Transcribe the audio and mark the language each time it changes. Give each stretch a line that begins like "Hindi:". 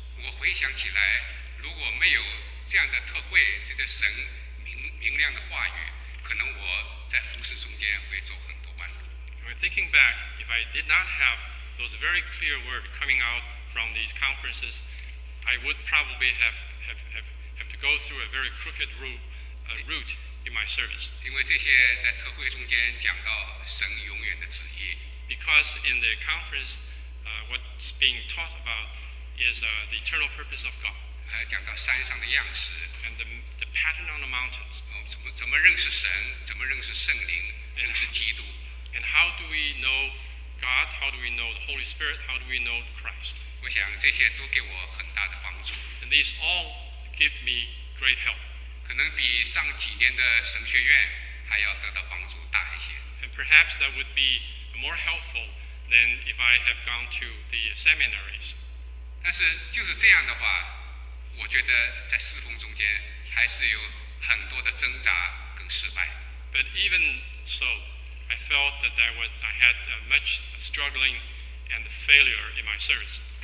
Chinese: 我回想起来，如果没有这样的特会，这个神明亮的话语，可能我在服事中间会走很多弯路。
English: When thinking back, if I did not have those very clear words coming out from these conferences, I would probably have to go through a very crooked route in my service.
Chinese: 因为这些在特会中间讲到神永远的旨意。
English: Because in the conference, what's being taught about is the eternal purpose of God.
Chinese: 讲到山上的样式。
English: And the pattern on the mountains.
Chinese: 怎么认识神？怎么认识圣灵？认识基督。
English: And how do we know God? How do we know the Holy Spirit? How do we know Christ?
Chinese: 我想这些都给我很大的帮助。
English: And these all give me great help.
Chinese: 可能比上几年的神学院还要得到帮助大一些。
English: And perhaps that would be more helpful than if I have gone to the seminaries.
Chinese: 但是就是这样的话，我觉得在侍奉中间还是有很多的挣扎跟失败。
English: But even so, I felt that I had much struggling and failure in my service.